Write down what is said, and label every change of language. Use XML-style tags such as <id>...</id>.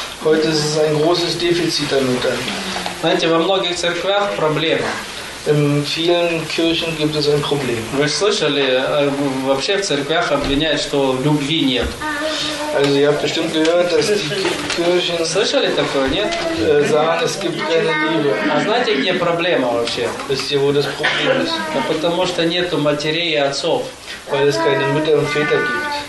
<de>Heute ist es ein großes Defizit an Müttern.</de> <ru>Знаете, во многих церквях проблема.</ru> <de>In vielen Kirchen gibt es ein Problem.</de> <ru>Вы слышали, вообще в церквях обвиняют, что любви нет.</ru> <de>Also, ihr habt bestimmt gehört, dass die Kirchen...</de> <ru>Слышали такое, нет?</ru> <de>Sagen, es gibt keine Liebe.</de> <ru>А знаете, где проблема вообще?</ru> <de>Wisst ihr, wo das Problem ist?</de> <ru>Ja, потому что нету матерей и отцов.</ru> <de>Weil es keine Mütter und Väter gibt.</de>